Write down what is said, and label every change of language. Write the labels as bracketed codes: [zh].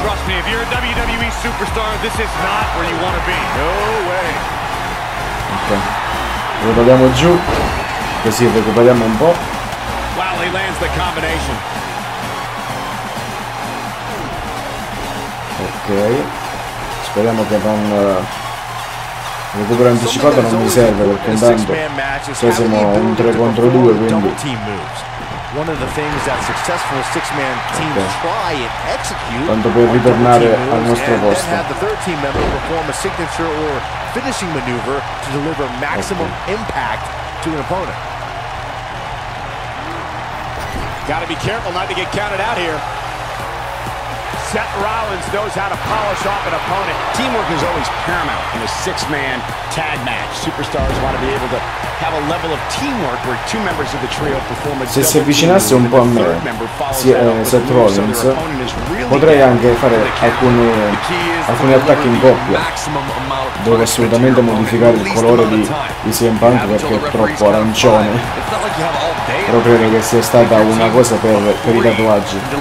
[en] Trust me, if you're a WWE superstar, this is not where you want to be. No way. [it] Ok, lo togliamo giù, così recuperiamo un po'. [en] Wow, he lands the combination. [it] Ok, speriamo che non recupero anticipato, non mi serve, perché intanto cioè siamo un 3 contro 2, quindi [en] one of the things that successful six-man teams try and execute. [it] Tanto puoi ritornare al nostro posto. [en] Have the third team member perform a signature or finishing maneuver to deliver maximum impact to an opponent. Got to be careful not to get counted out here. Seth Rollins knows how to polish off an opponent. Teamwork is always paramount in a six-man tag match. Superstars want to be able to have a level of teamwork where two members of the trio perform a double team move, and the third member follows that up with a move, so their opponent is really [it] potrei anche fare alcuni attacchi in coppia. Devo assolutamente modificare il colore di CM Punk perché è troppo arancione. Però credo che sia stata una cosa per i tatuaggi.